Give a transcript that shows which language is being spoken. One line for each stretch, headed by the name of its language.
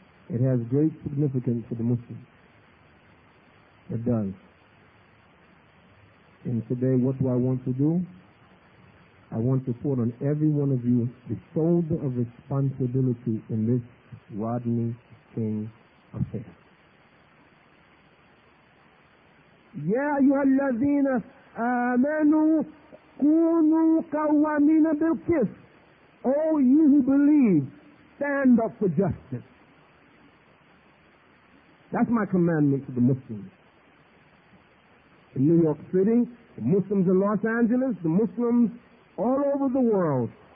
English: It has great significance for the Muslims. It does. And today, what do I want to do? I want to put on every one of you the shoulder of responsibility in this Rodney King affair.
Arabic: يا أيها الذين آمنوا كونوا قوامين بالقسط.
English: All you who believe, stand up for justice. That's my commandment to the Muslims. In New York City, the Muslims in Los Angeles, the Muslims all over the world,